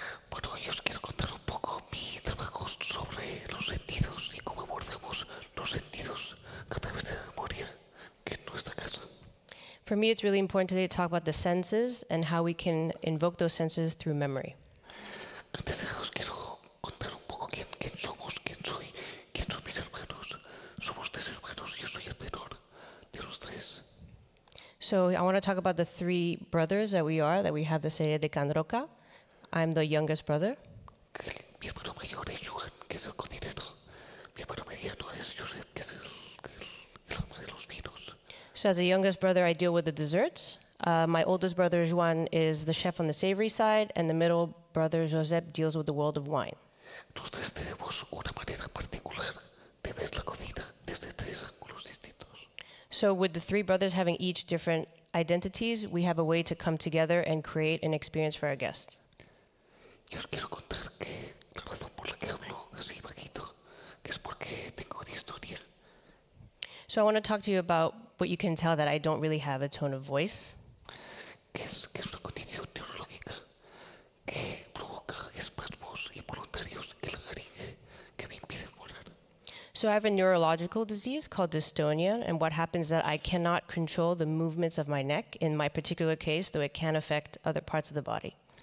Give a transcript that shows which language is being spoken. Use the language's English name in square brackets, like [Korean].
[Spanish] Bueno, yo os quiero contar un poco mi trabajo sobre los sentidos y cómo abordamos los sentidos a través de la memoria en nuestra casa. [English] For me, it's really important today to talk about the senses and how we can invoke those senses through memory. [Spanish] Antes de eso, os quiero contar un poco quién somos, quién soy, quién son mis hermanos. Somos tres hermanos, yo soy el menor de los tres. [English] So I want to talk about the three brothers that we are, that we have the serie de Can Roca. I'm the youngest brother. [Spanish] Mi hermano mayor es Juan, que es el cocinero. Mi hermano mediano es Josep, que es el alma de los vinos. [English] So as the youngest brother, I deal with the desserts. My oldest brother, Juan, is the chef on the savory side, and the middle brother, Josep, deals with the world of wine. [Spanish] Nosotros tenemos una manera particular de ver la cocina desde tres ángulos distintos. [English] So with the three brothers having each different identities, we have a way to come together and create an experience for our guests. [Spanish] Yo os quiero contar que la razón por la que hablo así bajito es porque tengo de historia. [English] So I want to talk to you about what you can tell that I don't really have a tone of voice. [Spanish] Que es una condición neurológica que provoca espasmos involuntarios en la laringe que me impiden volar. [English] So I have a neurological disease called dystonia, and what happens is that I cannot control the movements of my neck in my particular case, though it can affect other parts of the body.